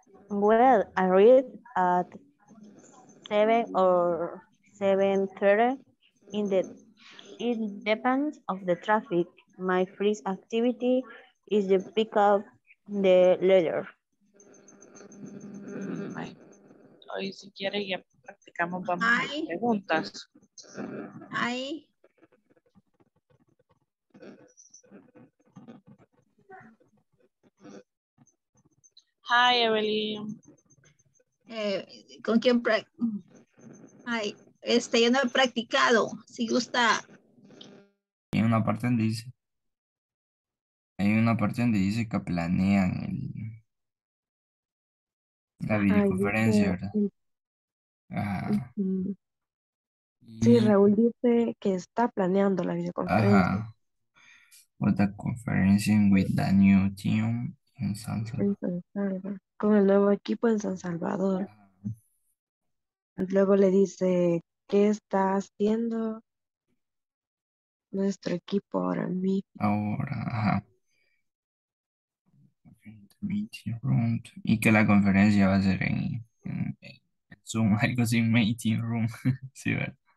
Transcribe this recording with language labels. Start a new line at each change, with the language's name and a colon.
English: Well, I read at 7 or 7:30 in the it depends of the traffic. My first activity is to pick up the letter.
Spanish: Hoy si quiere ya practicamos vamos a preguntas. Ay.
English: Hi Evelyn.
Spanish: ¿Con quién ay, yo no he practicado. Si gusta. Hay una parte donde dice. Hay una parte donde dice que planean el la videoconferencia, ¿verdad? Ajá. Sí, Raúl dice que está planeando la videoconferencia. Ajá.
English: The conferencing with the new team in San Salvador.
Spanish: Con el nuevo equipo en San Salvador. Luego le dice, ¿qué está haciendo nuestro equipo ahora mismo? Ahora, ajá.
English: Meeting room.
Spanish: Y que la conferencia va a ser en Zoom, algo así,
English: meeting room.
Spanish: Sí, ¿verdad?